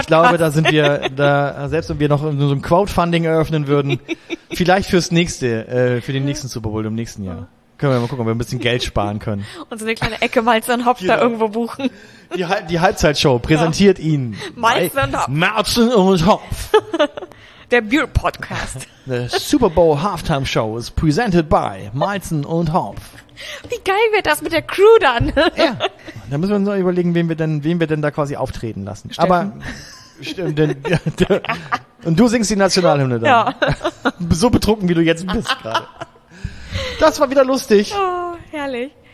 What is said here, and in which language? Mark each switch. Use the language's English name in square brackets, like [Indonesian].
[German] Ich glaube, da sind wir, da, selbst wenn wir noch so ein Crowdfunding eröffnen würden, vielleicht fürs nächste, für den nächsten Super Bowl im nächsten Jahr. Können wir mal gucken, ob wir ein bisschen Geld sparen können. Und so eine kleine Ecke Malz und Hopf da irgendwo buchen. Die Halbzeitshow präsentiert Ihnen Malz und Hopf. Malz und Hopf. der Beer Podcast. [English] The Super Bowl Halftime Show is presented by Malzen und Hopf. [German] Wie geil wird das mit der Crew dann? Ja, da müssen wir uns noch überlegen, wen wir denn da quasi auftreten lassen. Steffen. Aber stimmt, denn und du singst die Nationalhymne dann. Ja. So betrunken, wie du jetzt bist gerade. Das war wieder lustig. Oh, herrlich.